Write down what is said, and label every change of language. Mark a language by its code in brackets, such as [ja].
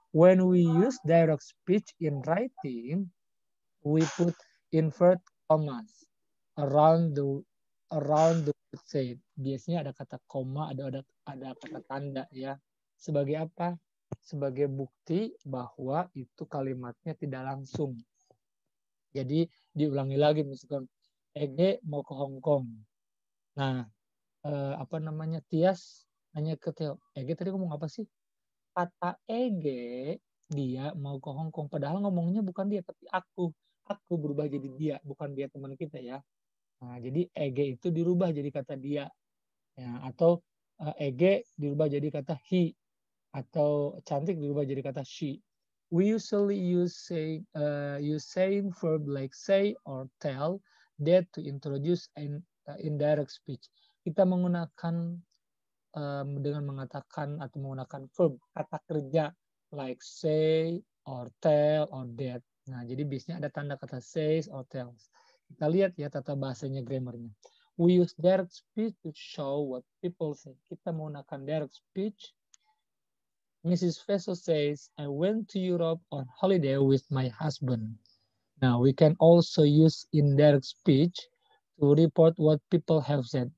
[en] When we use direct speech in writing, we put inverted commas around the word said. [id] Biasanya ada kata koma, ada kata tanda ya. Sebagai apa? Sebagai bukti bahwa itu kalimatnya tidak langsung. Jadi diulangi lagi misalkan Ege mau ke Hong Kong. Nah, apa namanya? Tias nanya ke Theo, Ege tadi ngomong apa sih? Kata Ege dia mau ke Hong Kong padahal ngomongnya bukan dia tapi aku. Aku berubah jadi dia, bukan dia teman kita ya. Nah, jadi Ege itu dirubah jadi kata dia. Ya, atau Ege dirubah jadi kata he. Atau cantik dirubah jadi kata she. [en] We usually use saying verb like say or tell that to introduce an indirect speech. [id] Kita menggunakan dengan mengatakan atau menggunakan verb kata kerja [en] like say or tell or that. [id] Nah, jadi biasanya ada tanda kata [en] says or tells. [id] Kita lihat ya tata bahasanya, grammarnya. [en] We use direct speech to show what people say. [id] Kita menggunakan direct speech. [en] Mrs. Faisal says, I went to Europe on holiday with my husband. Now, we can also use indirect speech to report what people have said.